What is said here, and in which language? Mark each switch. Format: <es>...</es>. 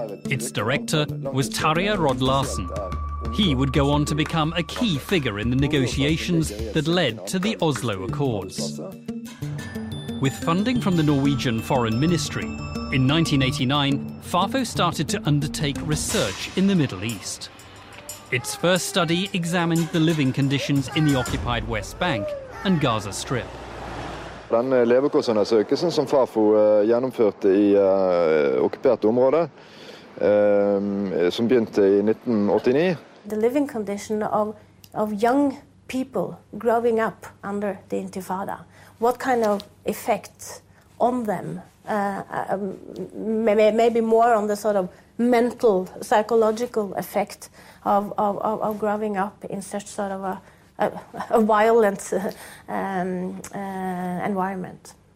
<en>Its director was Tarja Rod-Larsen. He would go on to become a key figure in the negotiations that led to the Oslo Accords. With funding from the Norwegian Foreign Ministry, in 1989, Fafo started to undertake research in the Middle East. Its first study examined the living conditions in the occupied West Bank and Gaza Strip.</en> <no>Den levekårsundersøkelsen som Fafo gjennomførte i okkupert område, som begynte i 1989.</no> <en>The living condition of young people growing up under the Intifada. What kind of effect on them? Maybe more on the sort of mental, psychological effect of growing up in such sort of a violent environment.</en>